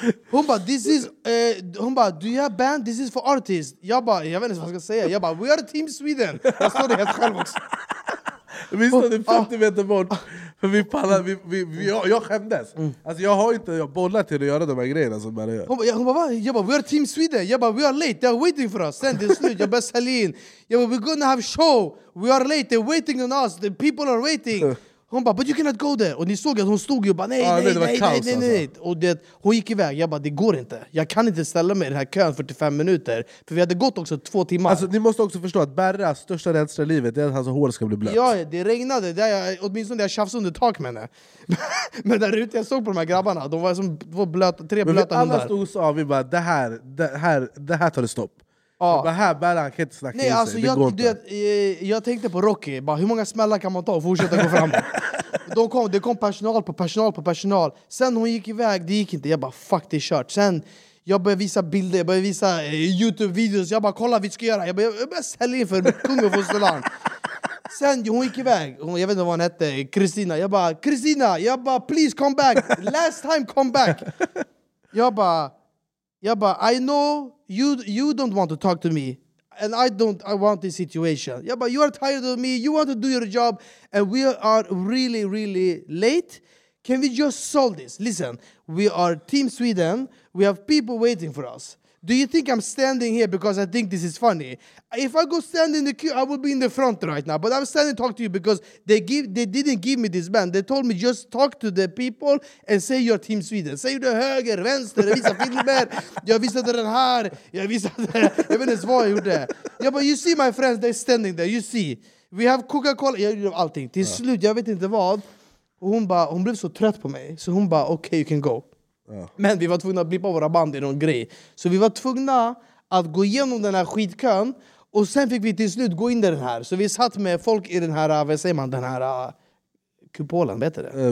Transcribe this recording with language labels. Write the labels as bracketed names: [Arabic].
[English] Hon bara, do you have band? This is for artists. [Swedish] Jag bara, jag vet inte vad jag ska säga. Jag bara, [English] we are Team Sweden. [Swedish] Jag står helt själv också. Vi stod 50 meter bort. För jag skämdes. Alltså jag har bollat till att göra de här grejerna som Berra gör. Hon bara, jag bara, [English] we are Team Sweden. Jag bara, we are late. They are waiting for us. [Swedish] Sen det är slut. Jag bara, Salin. Jag bara, [English] we're gonna have show. We are late. They're waiting on us. The people are waiting. [Swedish] Hon bara, [English] but you cannot go there. [Swedish] Och ni såg att hon stod och bara, nej. Och det, hon gick iväg. Jag bara, det går inte. Jag kan inte ställa mig i den här kön 45 minuter. För vi hade gått också 2 timmar. Alltså, ni måste också förstå att Berras största rädsla i livet är att hans hår ska bli blött. Ja, det regnade. Det är, åtminstone det jag tjafs under tak med henne. Men där ute jag såg på de här grabbarna. De var som tre blöta hundar. Men alla stod och sa, vi bara, det här tar det stopp. Ja. Här bara han kan inte snacka. Nej, alltså, jag tänkte på Rocky. Bara, hur många smällar kan man ta och fortsätta gå fram? Det kom personal. Sen hon gick iväg, det gick inte. Jag bara, fuck, det är kört. Sen jag började visa bilder, jag började visa YouTube-videos. Jag bara, kolla, vi ska göra. Jag började sälja in för kung och fosterland. Sen hon gick iväg, jag vet inte vad hon hette, Kristina. Jag bara, [English] Kristina, [Swedish] jag bara, [English] please come back. Last time, come back. [Swedish] Jag bara, [English] I know you don't want to talk to me. And I want this situation. [Swedish] Jag bara, [English] you are tired of me, you want to do your job. And we are really, really late. Can we just solve this? Listen, we are Team Sweden. We have people waiting for us. Do you think I'm standing here because I think this is funny? If I go stand in the queue, I will be in the front right now. But I'm standing to talk to you because they didn't give me this ban. They told me just talk to the people and say you're Team Sweden. Say you're [Swedish] höger, vänster, jag visar filmer, jag visade den här, jag visade, jag vet inte vad jag gjorde. [English] Yeah, but you see my friends, they're standing there, you see. We have Coca-Cola, [Swedish] jag gjorde allting. Till slut, jag vet inte vad. Och hon blev så trött på mig. Så hon bara, [English] okay, you can go. [Swedish] Men vi var tvungna att blippa våra band i någon grej. Så vi var tvungna att gå igenom den här skitkön. Och sen fick vi till slut gå in i den här. Så vi satt med folk i den här, vad säger man, den här kupolen, vet du det?